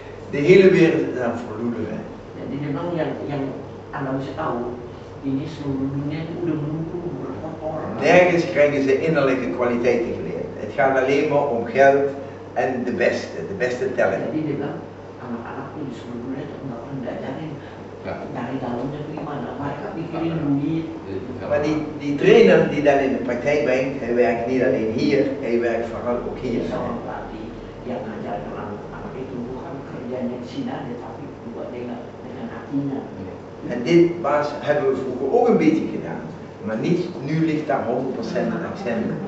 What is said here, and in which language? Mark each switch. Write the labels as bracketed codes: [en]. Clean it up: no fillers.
[nl] De hele wereld is aan verloederen. Ja, dit is nou [id] yang anda mesti tahu. Ini seluruh dunia itu udah menunggu berapa orang. [nl] Nergens krijgen ze innerlijke kwaliteiten geleerd. Het gaat alleen maar om geld en de beste talent. [id] Jadi dia bilang, anak-anak di seluruh dunia itu nggak pernah diajarin dari dalamnya itu gimana. Mereka pikirin duit. [nl] Maar die trainer die dan in de praktijk brengt, hij werkt niet alleen hier, hij werkt vooral ook hier. [id] Dia seorang pelatih yang ngajar anak-anak itu bukan kerjanya di sini aja, tapi buat dengan hatinya. [nl] En dit baas hebben we vroeger ook een beetje gedaan. Maar niet, nu ligt daar 100% het accent.